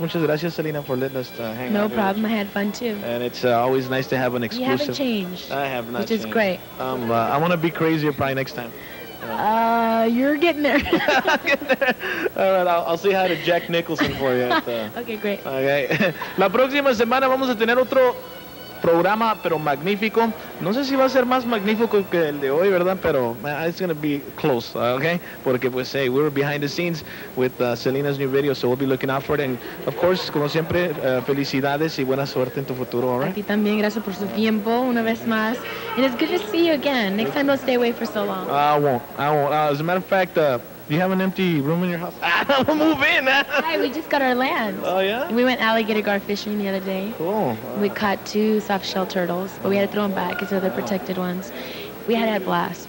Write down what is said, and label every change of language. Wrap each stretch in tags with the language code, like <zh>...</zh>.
<es>Muchas gracias,</es> <en>Selena, for letting us hang out. No problem. I had fun, too. And it's always nice to have an exclusive. You haven't changed. I have not Which changed. Is great. I want to be crazier probably next time. You're getting there. All right, I'll say hi to Jack Nicholson for you. Okay, great. Okay.</en> <es>La próxima semana vamos a tener otro programa, pero magnífico. No sé si va a ser más magnífico que el de hoy, ¿verdad? Pero</es> <en>it's going to be close, okay?</en> <es>Porque, pues,</es> <en>hey, we're behind the scenes with Selena's new video, so we'll be looking out for it. And, of course,</en> <es>como siempre, felicidades y buena suerte en tu futuro,</es> <en>all right?</en> <es>A ti también, gracias por su tiempo, una vez más.</es> <en>And it's good to see you again. Next time, don't stay away for so long. I won't. As a matter of fact, do you have an empty room in your house? We'll move in, man. Hi, we just got our land. Oh, yeah? We went alligator gar fishing the other day. Cool. We caught two soft-shell turtles, but we had to throw them back because they're protected ones. We had a blast.</en>